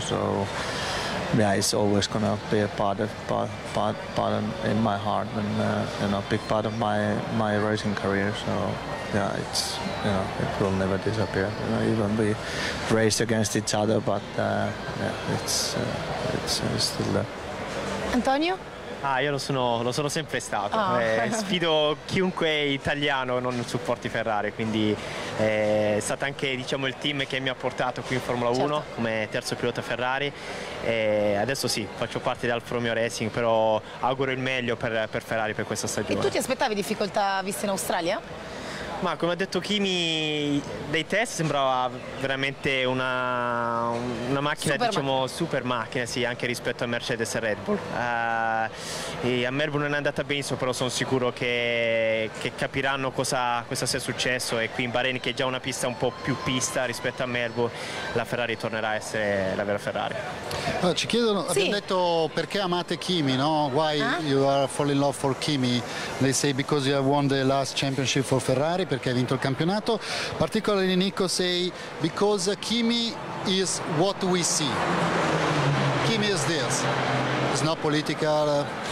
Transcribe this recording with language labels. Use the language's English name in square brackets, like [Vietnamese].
[English] So yeah, it's always gonna be a part in my heart, and you know, a big part of my racing career. So yeah, it's, you know, it will never disappear. You know, even we race against each other, but it's still there. Antonio? [Italian] Ah, io lo sono sempre stato. Sfido chiunque italiano non supporti Ferrari, quindi È stato anche, diciamo, il team che mi ha portato qui in Formula 1, certo, come terzo pilota Ferrari. Adesso sì, faccio parte di Alfa Romeo Racing, però auguro il meglio per Ferrari per questa stagione. E tu ti aspettavi difficoltà viste in Australia? Ma come ha detto Kimi, dei test sembrava veramente una macchina, super, diciamo, macchina, super macchina, sì, anche rispetto a Mercedes e Red Bull. A Melbourne non è andata benissimo, però sono sicuro che capiranno cosa sia successo, e qui in Bahrain, che è già una pista un po' più pista rispetto a Melbourne, la Ferrari tornerà a essere la vera Ferrari. Allora, ci chiedono, sì, abbiamo detto perché amate Kimi, no? [English] Why you are falling in love for Kimi? They say because you have won the last championship for Ferrari, [Italian] perché hai vinto il campionato. [English] Particolarly Nico say because Kimi is what we see. Kimi is this. It's not political.